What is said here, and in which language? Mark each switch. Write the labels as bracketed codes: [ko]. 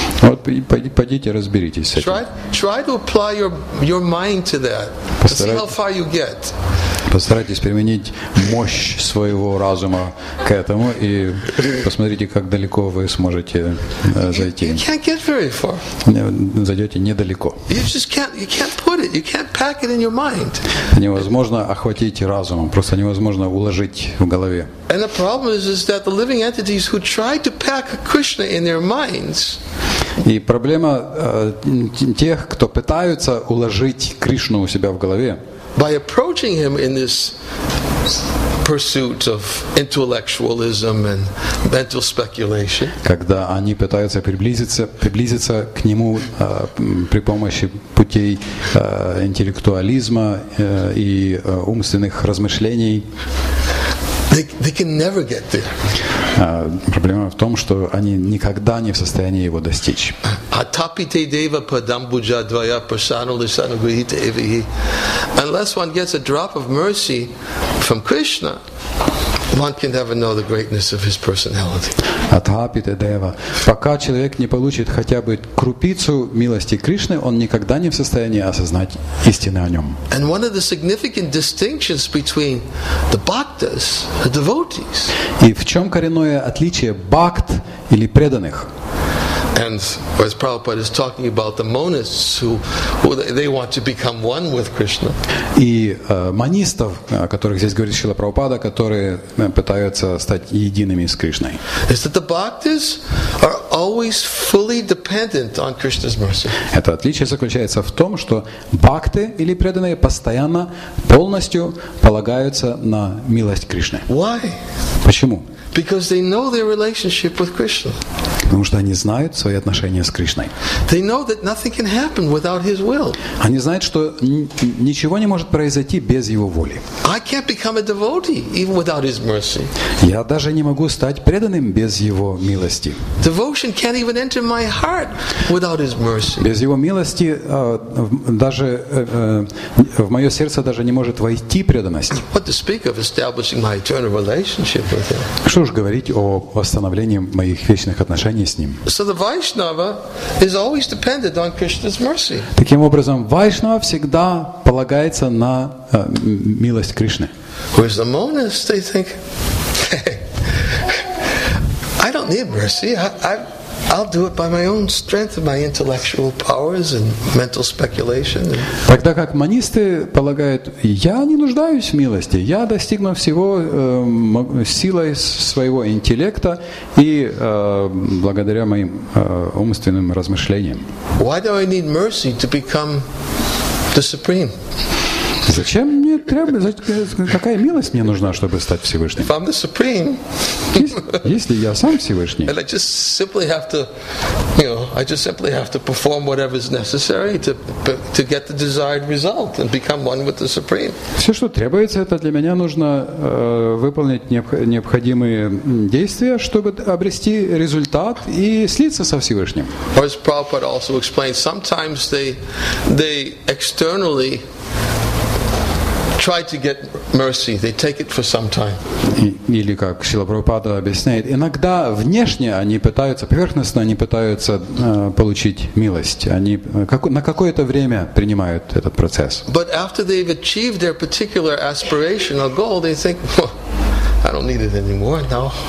[ru] Вот пойдите разберитесь с этим. [en] Try to apply your mind to that. See how far you get. [ru] Постарайтесь применить мощь своего разума к этому и посмотрите, как далеко вы сможете зайти. [en] You can't get very far. [ru] Зайдете недалеко. [en] You can't put it. You can't pack it in your mind. [ru] Невозможно охватить разумом. Просто невозможно уложить в голове. [en] And the problem is that the living entities who try to pack Krishna in their minds. [ru] И проблема тех, кто пытаются уложить Кришну у себя в голове. [en] By approaching him in this pursuit of intellectualism and mental speculation. [ru] Когда они пытаются приблизиться к нему при помощи путей интеллектуализма и умственных размышлений. [en] They can never get there. [ru] Проблема в том, что они никогда не в состоянии его достичь. [sa] Atapite deva padambuja dvaya prasanuli sanugrihita evihi. [en] Unless one gets a drop of mercy from Krishna, one can never know the greatness of his personality. [sa] Atapite deva. [ru] Пока человек не получит хотя бы крупицу милости Кришны, он никогда не в состоянии осознать истины о нем. [en] And one of the significant distinctions between the bhaktas, the devotees. [ru] И в чем коренное отличие бхакт или преданных? [en] And as Prabhupada is talking about the monists who they want to become one with Krishna. [ru] И монистов, о которых здесь говорит Шрила Прабхупада, которые пытаются стать едиными с Кришной. [en] Is that the bhaktas are always fully dependent on Krishna's mercy. [ru] Это отличие заключается в том, что бхакты или преданные постоянно полностью полагаются на милость Кришны. [en] Why? [ru] Почему? [en] Because they know their relationship with Krishna. [ru] Потому что они знают свои отношения с Кришной. [en] They know that nothing can happen without His will. [ru] Они знают, что ничего не может произойти без Его воли. [en] I can't become a devotee even without His mercy. [ru] Я даже не могу стать преданным без Его милости. [en] Devotion can't even enter my heart without His mercy. [ru] Без Его милости даже в мое сердце даже не может войти преданность. [en] What to speak of establishing my eternal relationship with Him? [ru] Что уж говорить о восстановлении моих вечных отношений с Ним. [en] So the Vaishnava is always dependent on Krishna's mercy. [ru] Таким образом, Вайшнава всегда полагается на милость Кришны. [en] Whereas the monists, they think, I don't need mercy. I'll do it by my own strength and my intellectual powers and mental speculation. [ru] Тогда как монисты полагают, я не нуждаюсь в милости, я достигну всего силой своего интеллекта и благодаря моим умственным размышлениям. [en] Why do I need mercy to become the supreme? [ru] Зачем мне требуется, какая милость мне нужна, чтобы стать Всевышним? [en] If I'm the supreme, [ru] если я сам Всевышний, [en] and I just simply have to, you know, I just simply have to perform whatever is necessary to get the desired result and become one with the supreme. [ru] Все, что требуется, это для меня нужно выполнить необходимые действия, чтобы обрести результат и слиться со Всевышним. [en] As Prabhupada also explained, sometimes they externally try to get mercy. They take it for some time. [ru] Или как Шрила Прабхупада объясняет, иногда внешне они пытаются, поверхностно они пытаются получить милость. Они на какое-то время принимают этот процесс. [en] But after they've achieved their particular aspiration or goal, they think, I don't need it anymore now.